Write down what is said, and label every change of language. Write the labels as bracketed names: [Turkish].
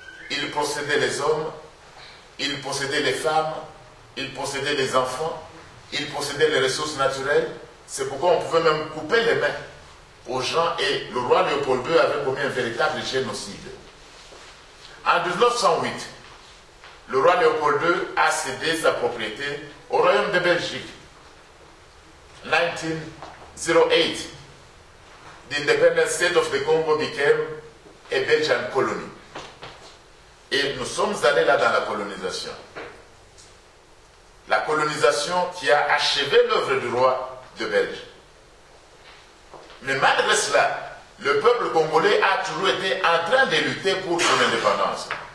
[French] Il possédait les hommes, il possédait les femmes, il possédait les enfants, il possédait les ressources naturelles. C'est pourquoi on pouvait même couper les mains aux gens et le roi Léopold II avait commis un véritable génocide. En 1908, le roi Léopold II a cédé sa propriété au royaume de Belgique. [English] 1908, the independent state of the Congo became a Belgian colony. [French] Et nous sommes allés là dans la colonisation. La colonisation qui a achevé l'œuvre du roi de Belge. Mais malgré cela, le peuple congolais a toujours été en train de lutter pour son indépendance.